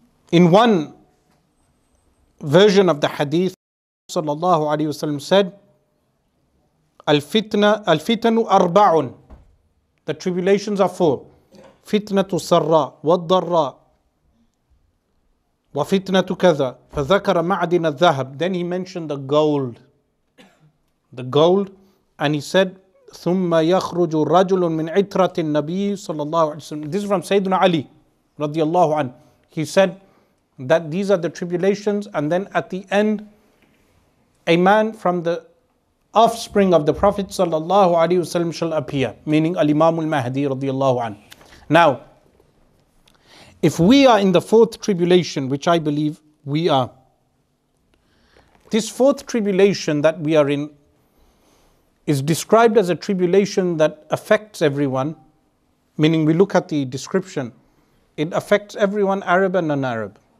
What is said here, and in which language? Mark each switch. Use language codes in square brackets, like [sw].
[en] In one version of the hadith, sallallahu alayhi wa sallam said, Al-Fitnu Arba'un, the tribulations are four. Fitnatu sarra wa dharra, [ar] وَفِتْنَةُ كَذَا فَذَكَرَ مَعْدِنَ الذَّهَبِ. [en] Then he mentioned the gold. The gold. And he said, [ar] ثُمَّ يَخْرُجُ رَجُلٌ مِّنْ عِتْرَةِ النَّبِيِّ صَلَى اللَّهُ عَلَيْهِ وَسَلَّمَ. [en] This is from Sayyidina Ali رضي الله عنه. He said that these are the tribulations, and then at the end, a man from the offspring of the Prophet صلى الله عليه وسلم shall appear, meaning Al-Imam Al-Mahdi رضي الله عنه. Now, if we are in the fourth tribulation, which I believe we are, this fourth tribulation that we are in is described as a tribulation that affects everyone, meaning we look at the description, it affects everyone, Arab and non-Arab.